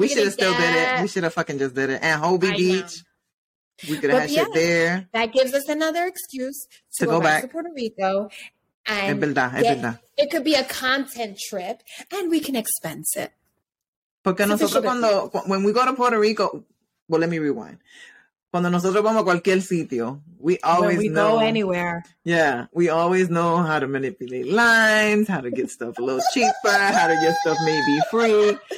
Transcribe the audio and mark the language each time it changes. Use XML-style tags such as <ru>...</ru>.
<en>we should have still did it. We should have fucking just did it. And Hobie Beach. Know. We could have had shit there. That gives us another excuse to go back to Puerto Rico. And it could be a content trip, and we can expense it. Porque nosotros when we go to Puerto Rico, well, let me rewind.</en> <es>Cuando nosotros vamos a cualquier sitio, we always know.</es> <en>When we go anywhere. Yeah, we always know how to manipulate lines, how to get stuff a little cheaper, how to get stuff maybe free.</en>